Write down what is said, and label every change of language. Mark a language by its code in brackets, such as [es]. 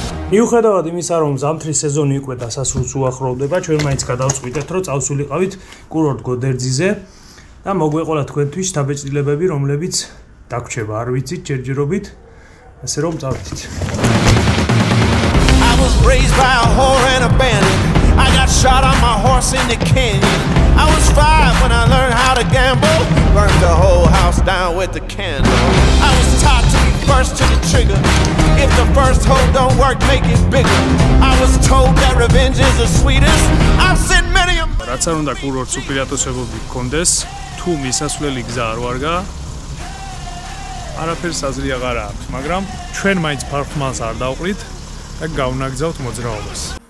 [ka] მიუხედავად იმისა, რომ ზამთრის სეზონი უკვე დასასრულს უახლოვდება, ჩვენ მაინც გადავწყვიტეთ, რომ წავსულიყავით კურორტ გოდერძიზე და მოგვეყოლა თქვენთვის დაბეჭდილებები, რომლებიც დაგვრჩება, არ ვიცით, ჯერჯერობით, ასე რომ წავიდეთ. [en] I was raised by a whore and a bandit. I got shot on my horse in the canyon. I was 5 when I learned how to gamble. Burned the whole house down with the candle. I was taught to be first to the trigger. If the first hole don't work, make it bigger. I was told that revenge is the sweetest. I've seen many of them. [ka] რაც არ უნდა კურორტს უპირატესობები გქონდეს, თუ მისასვლელი გზა არ ვარგა, არაფერს აზრი აღარა აქვს, მაგრამ ჩვენ მაინც ფარფმანს არ დავყრით. და გავნაგზავთ მოძრაობას.